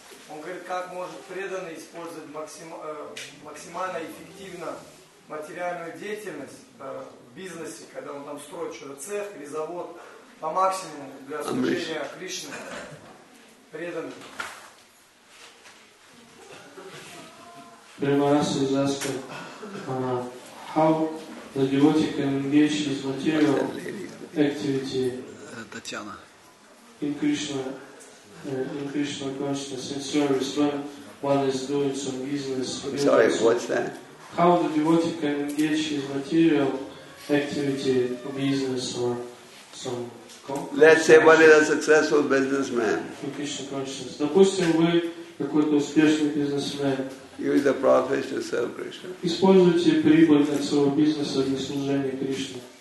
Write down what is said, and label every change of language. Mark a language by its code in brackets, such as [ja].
[ru] Он говорит, как может преданный использовать максимально эффективно материальную деятельность в бизнесе, когда он там строит что-то, цех или завод, по максимуму для служения Кришне, преданный. [en] Prima rasa is asking, how the devotee can engage his material activity in Krishna consciousness, in service, when one is doing some business. Sorry, what's that? How the devotee can engage his material activity, business, or some... Let's say one is a successful businessman. In Krishna consciousness. [ru] Допустим, вы какой-то успешный бизнесмен. [en] Use the profits to serve Krishna. [ru] Используйте прибыль от своего бизнеса для служения Кришне.